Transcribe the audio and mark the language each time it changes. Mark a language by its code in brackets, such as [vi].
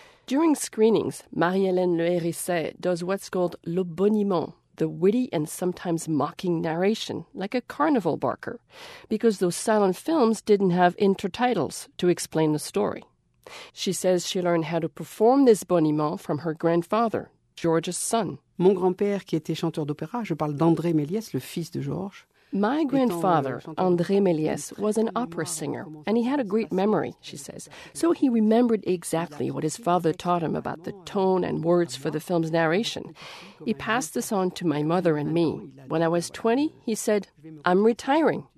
[en] During screenings, Marie-Hélène Le Hérisset does what's called le boniment, the witty and sometimes mocking narration, like a carnival barker, because those silent films didn't have intertitles to explain the story. She says she learned how to perform this boniment from her grandfather, George's son. [fr] Mon grand-père, qui était chanteur d'opéra, je parle d'André Méliès, le fils de Georges. [en] My grandfather, André Méliès, was an opera singer, and he had a great memory, she says. So he remembered exactly what his father taught him about the tone and words for the film's narration. He passed this on to my mother and me. When I was 20, he said, I'm retiring.